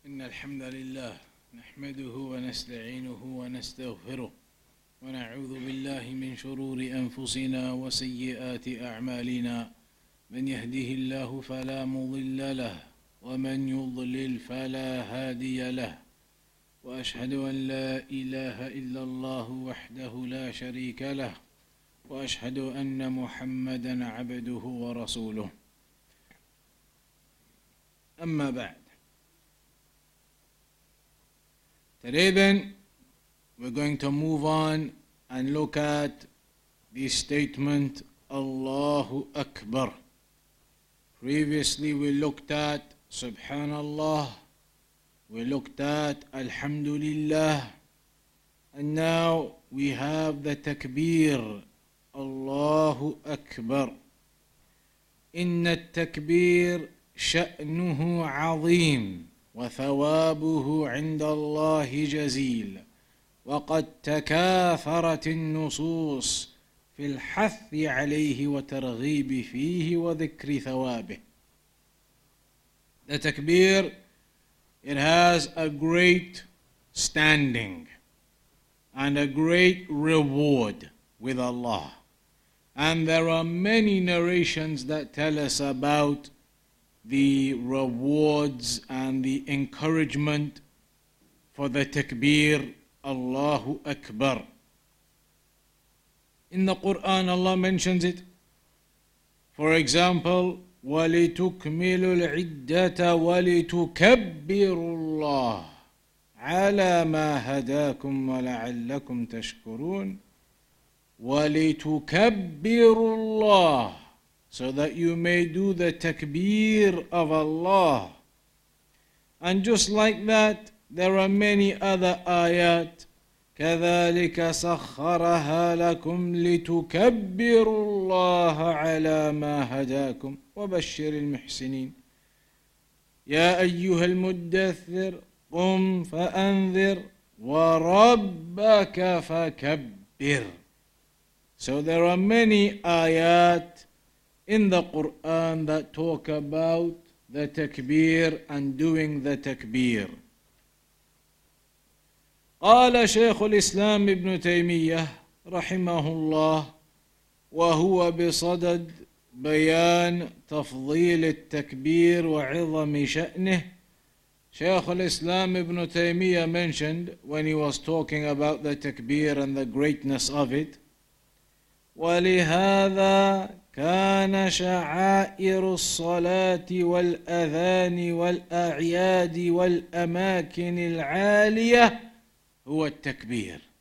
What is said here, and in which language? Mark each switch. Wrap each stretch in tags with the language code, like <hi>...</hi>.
<ar>إن الحمد لله نحمده ونستعينه ونستغفره ونعوذ بالله من شرور أنفسنا وسيئات أعمالنا، من يهده الله فلا مضل له ومن يضلل فلا هادي له، وأشهد أن لا إله إلا الله وحده لا شريك له، وأشهد أن محمدا عبده ورسوله. أما بعد،</ar> <en>Today, we're going to move on and look at the statement Allahu Akbar. Previously, we looked at Subhanallah, we looked at Alhamdulillah, and now we have the Takbir, Allahu Akbar.</en> <ar>Inna at-takbir sha'nuhu 'azeem. وثوابه عند الله جزيل وقد تكاثرت النصوص في الحث عليه وترغيب فيه وذكر ثوابه.</ar> <en>The takbir, it has a great standing and a great reward with Allah. And there are many narrations that tell us about the rewards and the encouragement for the takbir, Allahu Akbar. In the Quran, Allah mentions it. For example,</en> <ar>وَلِتُكْمِلُ الْعِدَّةَ وَلِتُكَبِّرُ اللَّهُ عَلَى مَا هَدَاكُمْ وَلَعَلَّكُمْ تَشْكُرُونَ وَلِتُكَبِّرُ اللَّهُ.</ar> <en>So that you may do the takbir of Allah. And just like that, there are many other ayat.</en> <ar>كَذَلِكَ سَخَّرَهَا لَكُمْ لِتُكَبِّرُ اللَّهَ عَلَى مَا هَدَاكُمْ وَبَشِّرِ الْمُحْسِنِينَ يَا أَيُّهَا الْمُدَّثِّرُ قُمْ فَأَنذِرْ وَرَبَّكَ فَكَبِّرْ.</ar> <en>So there are many ayat in the Quran that talk about the takbir and doing the takbir.</en> <ar>قال شيخ الإسلام ابن تيمية رحمه الله وهو بصدد بيان تفضيل التكبير وعظم شأنه.</ar> <en>شيخ الإسلام ابن تيمية mentioned when he was talking about the takbir and the greatness of it.</en> <ar>ولهذا كان شعائر الصلاة والأذان والأعياد والأماكن العالية هو التكبير.</ar>